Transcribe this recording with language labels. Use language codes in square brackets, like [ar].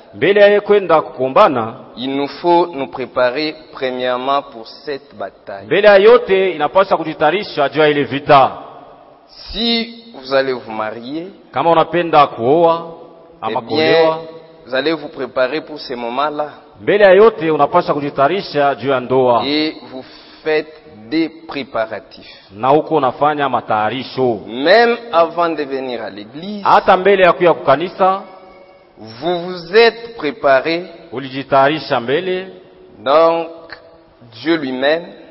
[sw] Mbele yake kwenda kukumbana. [fr] Il nous faut nous préparer premièrement pour cette bataille. [sw] Mbele yote inapaswa kujitayarisha juu ya ile vita. [fr] Si vous allez vous marier, [sw] kama unapenda kuoa ama kuolewa, [fr] vous allez vous préparer pour ce moment-là. [sw] Mbele ya yote unapaswa kujitayarisha juu ya ndoa. [fr] Et vous faites des préparatifs. [sw] Na huko unafanya matayarisho. [fr] Même avant de venir à l'église. [sw] Hata mbele ya kuja kukanisa. [fr] Vous vous êtes préparé. [sw] Ulijitayarisha mbele. [fr] Donc Dieu lui-même.